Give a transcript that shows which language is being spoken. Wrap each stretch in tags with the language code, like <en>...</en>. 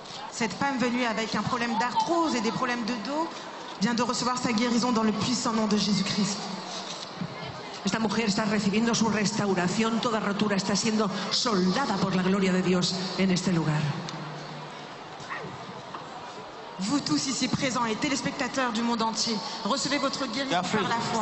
<fr>Cette femme venue avec un problème d'arthrose et des problèmes de dos vient de recevoir sa guérison dans le puissant nom de Jésus-Christ.</fr> <es>Esta mujer está recibiendo su restauración. Toda rotura está siendo soldada por la gloria de Dios en este lugar.</es> <fr>Vous tous ici présents et téléspectateurs du monde entier, recevez votre guérison par la foi.</fr>